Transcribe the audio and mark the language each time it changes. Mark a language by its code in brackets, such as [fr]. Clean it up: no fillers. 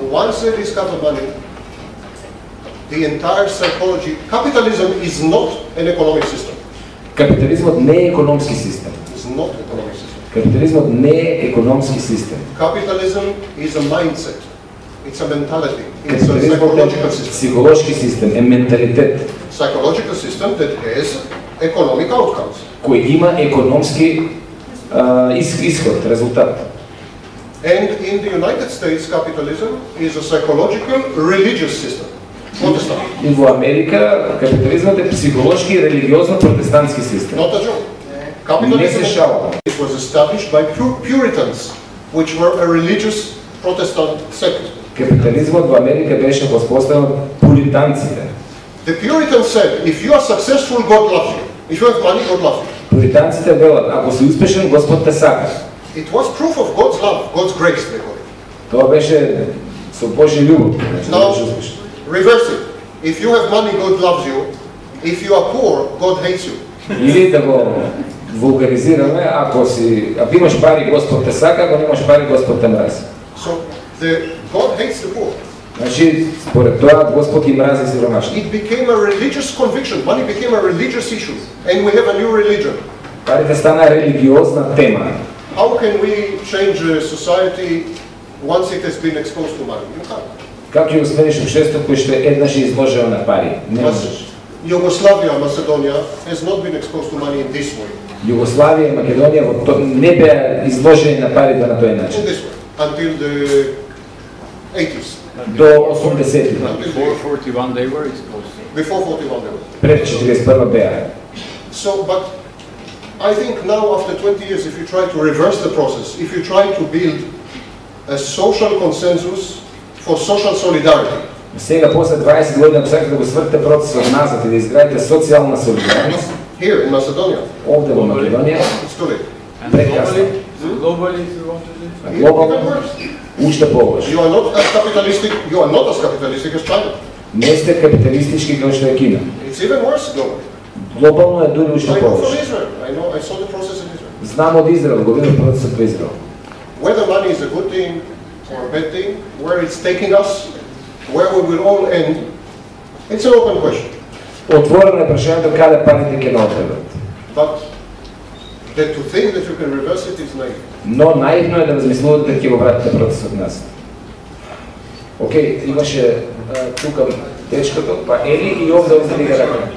[en] Once they discover money, the entire psychology, capitalism is not an economic system. [mk] Капитализмот не е економски систем. Капитализмот не е економски систем. [en] Capitalism is a mindset. It's a mentality. It's a psychological system. Psychological system, a mentalitet. Psychological system that has economic outcomes. [mk] Кој има економски исход, резултат. [en] And in the United States, capitalism is a psychological religious system. [mk] И во Америка капитализмот е психолошки и религиозно протестантски систем. [en] Not a joke. Capitalism it was established by Puritans, which were a religious Protestant sect. [mk] Капитализмот во Америка беше воспоставен од пуританците. [en] The Puritans said, if you are successful, God loves you. If you have money, God loves you. [mk] Пуританците велат, ако си успешен, Господ те сака. [en] It was proof of God's love, God's grace, they call it. [mk] Тоа беше со Божја љубов. [en] Now, reverse it. If you have money, God loves you. If you are poor, God hates you. [mk] Или да го вулгаризираме, ако си, ако имаш пари, Господ те сака, ако имаш пари, Господ те мрази. [en] So, the God hates the poor. [mk] Значи, според тоа, Господ ги мрази сиромашни. [en] It became a religious conviction. Money became a religious issue. And we have a new religion. [mk] Парите стана религиозна тема. [en] How can we change a society once it has been exposed to money? You can't. [mk] Как ќе го смениш обществото кој што еднаш е изложено на пари? Не можеш. [en] Југославија, Македонија has not been exposed to money in this way. [mk] Југославија и Македонија не беа изложени на пари да на тој начин. [en] In this way. Until the 80s. [mk] До 80-ти. [en] Before 41 they were exposed. Before 41 they were. [mk] Пред 41 беа. [en] So, but I think now after 20 years, if you try to reverse the process, if you try to build a social consensus for social solidarity. [mk] Сега после 20 години сакате да го свртите процесот назад и да изградите социјална солидарност. [en] Here in Macedonia. [mk] Овде во Македонија. [en] It's too late. Globally, if you want to do it. [mk] Global, уште повеќе. [en] You are not as capitalistic. You are not as capitalistic as China. [mk] Не сте капиталистички како што е Кина. [en] It's even worse globally. [mk] Глобално е дури уште повеќе. [en] I know from Israel. I know. I saw the process in Israel. [mk] Знам од Израел. Го видов процесот во Израел. [en] Whether money is a good thing or a bad thing, where it's taking us, where we will all end, it's an open question. [mk] Отворено е прашањето каде парите ќе одат. [en] But that to think that you can reverse it is naive. [mk] Но наивно е да размислувате дека ќе го вратите процесот нас. Океј, имаше тука течкото, па Ели и овде да ги ракам.